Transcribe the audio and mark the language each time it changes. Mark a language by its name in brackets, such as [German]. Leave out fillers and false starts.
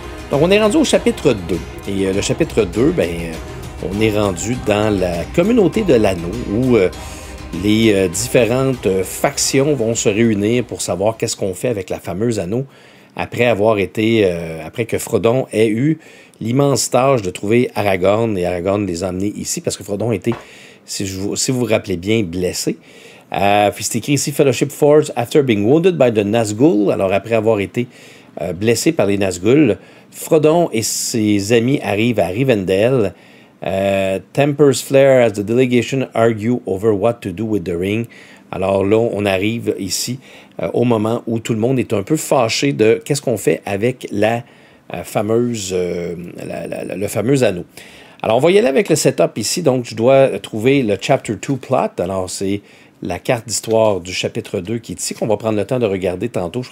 [French] Donc on est rendu au chapitre 2. Et le chapitre 2, ben, on est rendu dans la communauté de l'anneau où les différentes factions vont se réunir pour savoir qu'est-ce qu'on fait avec la fameuse anneau après avoir été, après que Frodon ait eu l'immense tâche de trouver Aragorn et Aragorn les a amenés ici parce que Frodon était, si vous rappelez bien, blessé. Puis c'est écrit ici « [English] Fellowship Forge after being wounded by the Nazgûl ». [French] Alors après avoir été blessé par les Nazgûl, Frodon et ses amis arrivent à Rivendell. [English] Tempers flare as the delegation argue over what to do with the ring. [French] Alors là, on arrive ici au moment où tout le monde est un peu fâché de qu'est-ce qu'on fait avec la fameuse, le fameux anneau. Alors on va y aller avec le setup ici. Donc je dois trouver le chapter 2 plot. Alors c'est la carte d'histoire du chapitre 2 qui est ici, qu'on va prendre le temps de regarder tantôt.